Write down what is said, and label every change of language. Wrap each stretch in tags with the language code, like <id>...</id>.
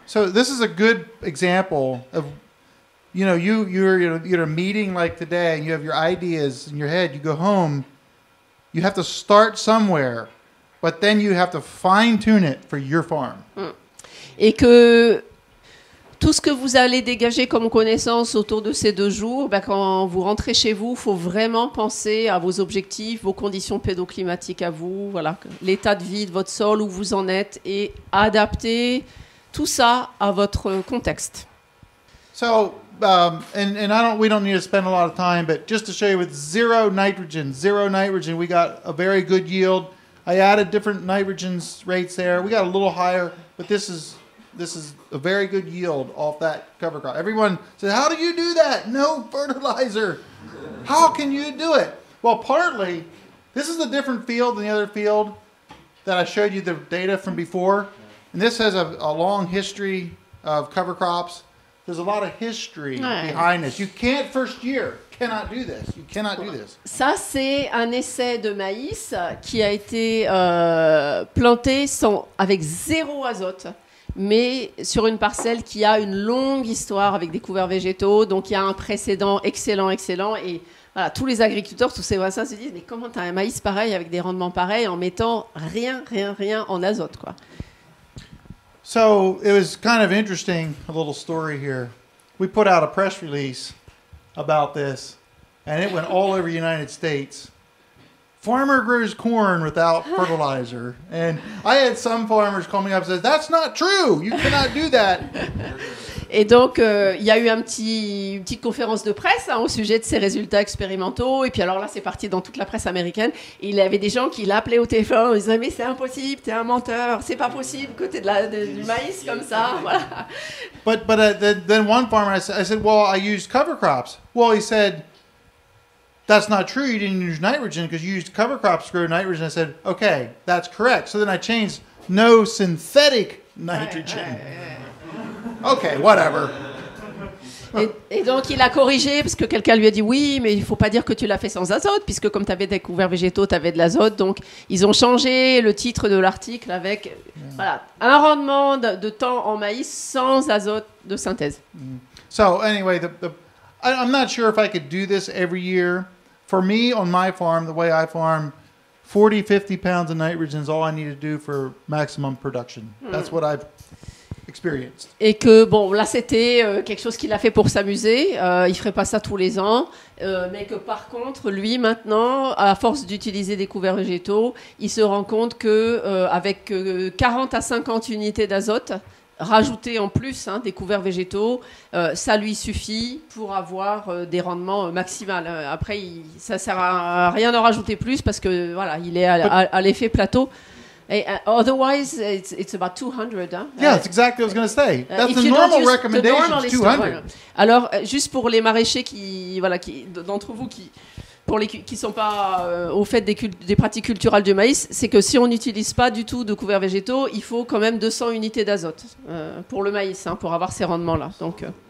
<en>So this is a good example of, you know, you're in a meeting like today and you have your ideas in your head, you go home. You have to start somewhere, but then you have to fine-tune it for your farm.</en> <fr>Et que tout ce que vous allez dégager comme connaissance autour de ces 2 jours, ben quand vous rentrez chez vous, il faut vraiment penser à vos objectifs, vos conditions pédoclimatiques à vous, voilà, l'état de vie de votre sol, où vous en êtes, et adapter tout ça à votre contexte.</fr> <en>So, and we don't need to spend a lot of time, but just to show you, with zero nitrogen, we got a very good yield. I added different nitrogen rates there. We got a little higher, but this is a very good yield off that cover crop. Everyone said, how do you do that? No fertilizer. How can you do it? Well, partly, this is a different field than the other field that I showed you the data from before. And this has a long history of cover crops. There's a lot of history behind this. You can't first year, cannot do this. You cannot do this.</en> <fr>Ça, c'est un essai de maïs qui a été planté avec zéro azote, mais sur une parcelle qui a une longue histoire avec des couverts végétaux. Donc, il y a un précédent excellent. Et voilà, tous les agriculteurs, tous ces voisins se disent, mais comment tu as un maïs pareil avec des rendements pareils en mettant rien en azote, quoi.</fr> <en>So it was kind of interesting, a little story here. We put out a press release about this, and it went all over the United States. Farmer grows corn without fertilizer. And I had some farmers call me up and say, that's not true. You cannot do that.</en> <fr>Et donc, il y a eu une petite conférence de presse hein, au sujet de ces résultats expérimentaux. Et puis alors là, c'est parti dans toute la presse américaine. Et il y avait des gens qui l'appelaient au téléphone en disant « Mais c'est impossible, t'es un menteur, c'est pas possible, côté du maïs comme ça. »</fr> <en>But then one farmer, I said, « Well, I use cover crops. » Well, he said, « That's not true, you didn't use nitrogen because you used cover crops to grow nitrogen. » I said, « Okay, that's correct. » So then I changed « No synthetic nitrogen. » Okay, whatever.</en> <fr>Et donc il a corrigé parce que quelqu'un lui a dit oui, mais il faut pas dire que tu l'as fait sans azote, puisque comme tu avais des couverts végétaux, tu avais de l'azote. Donc ils ont changé le titre de l'article avec voilà, un rendement de temps en maïs sans azote de synthèse.</fr> <en>So anyway, I'm not sure if I could do this every year. For me, on my farm, the way I farm, 40-50 pounds of nitrogen is all I need to do for maximum production. That's what I've experienced.</en> <fr>Et que, bon, là, c'était quelque chose qu'il a fait pour s'amuser. Il ne ferait pas ça tous les ans. Mais que, par contre, lui, maintenant, à force d'utiliser des couverts végétaux, il se rend compte qu'avec 40 à 50 unités d'azote, rajoutées en plus hein, des couverts végétaux, ça lui suffit pour avoir des rendements maximales. Après, ça ne sert à rien d'en rajouter plus parce que, voilà, il est à l'effet plateau.</fr> <en>Otherwise, it's about 200. Huh? Yeah, that's exactly what I was going to say. That's the normal recommendation. The normal is 200.</en> <fr>Alors, juste pour les maraîchers qui d'entre vous qui sont pas au fait des pratiques culturelles du maïs, c'est que si on n'utilise pas du tout de couverts végétaux, il faut quand même 200 unités d'azote pour le maïs, hein, pour avoir ces rendements-là. Donc,</fr>